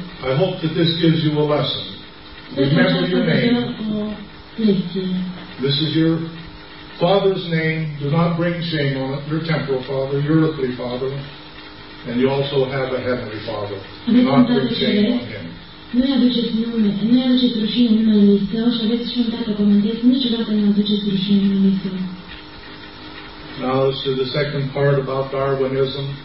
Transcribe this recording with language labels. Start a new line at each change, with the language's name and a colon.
English: I hope that this gives you a lesson. Remember your name. This is your father's name. Do not bring shame on it. Your temporal father, your earthly father, and you also have a heavenly father. Do not bring shame on him.
Romanian: Nu-i aduceți nume, nu-i aduceți rușine în numele Său și aveți și un tată comandat, niciodată nu aduceți rușine în numele Său.
English: Now as to the second part about Darwinism.